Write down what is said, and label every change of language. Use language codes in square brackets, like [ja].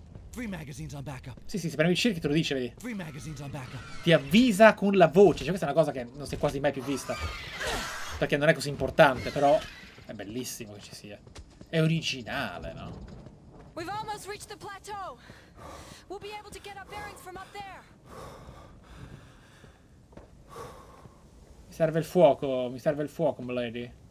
[en] Three magazines on backup. [it] Sì, sì, se prendi il circuito lo dice, vedi. [en] Three magazines on backup. [it] Ti avvisa con la voce. Cioè, questa è una cosa che non si è quasi mai più vista. Perché non è così importante, però è bellissimo che ci sia. È originale, no? [en] We've almost reached the plateau. We'll be able to get our bearings from up there. [it] Mi serve il fuoco, mi serve il fuoco, m'lady.